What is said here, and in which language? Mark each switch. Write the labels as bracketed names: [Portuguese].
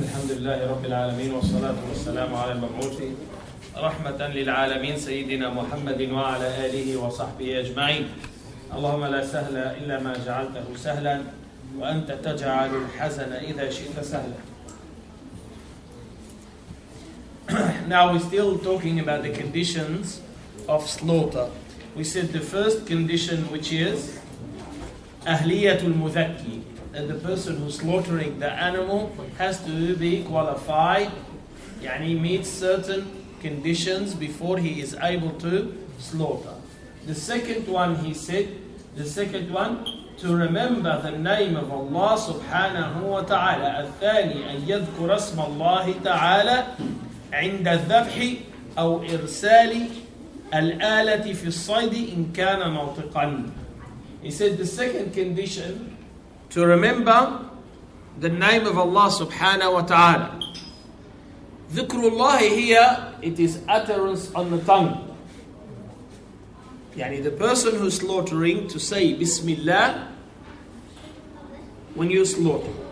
[Arabic] الحمد لله رب العالمين، والصلاة والسلام على المبعوث رحمة للعالمين سيدنا محمد وعلى آله وصحبه أجمعين. اللهم لا سهل إلا ما جعلته سهلا، وأنت تجعل الحزن إذا شئت سهلا. [English] Now we're still talking about the conditions of slaughter. We said the first condition, which is أهلية المذكي, that the person who's slaughtering the animal has to be qualified, يعني meets certain conditions before he is able to slaughter. The second one he said, the second one, to remember the name of Allah subhanahu wa ta'ala. [Arabic] الثاني أن يذكر اسم الله تعالى عند الذبح أو إرسال الآلة في الصيد إن كان ناطقا. [English] He said the second condition, to remember the name of Allah subhanahu wa ta'ala. Dhikrullahi here, it is utterance on the tongue. Yani the person who's slaughtering to say Bismillah when you slaughter.